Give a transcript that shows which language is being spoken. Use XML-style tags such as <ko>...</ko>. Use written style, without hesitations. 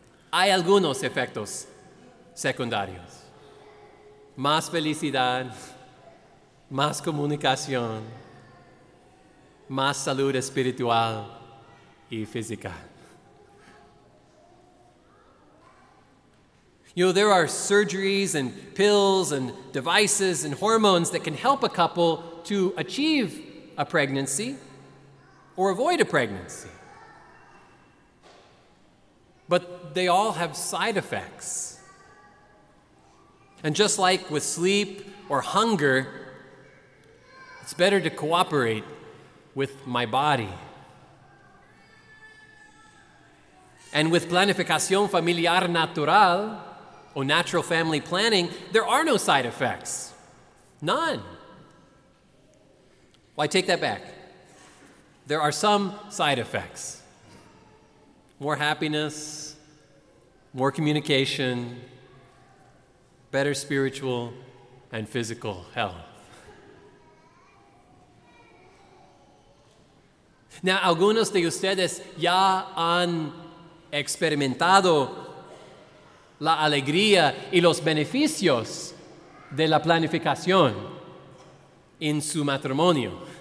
<es>Hay algunos efectos secundarios. Más felicidad, más comunicación, más salud espiritual y física.</es> <en>There are surgeries and pills and devices and hormones that can help a couple to achieve a pregnancy or avoid a pregnancy. But they all have side effects. And just like with sleep or hunger, it's better to cooperate with my body. And with planificación familiar natural, or natural family planning, there are no side effects. None. Well, I take that back. There are some side effects. More happiness, more communication, better spiritual and physical health. Now,</en> <es>algunos de ustedes ya han experimentado la alegría y los beneficios de la planificación en su matrimonio.</es>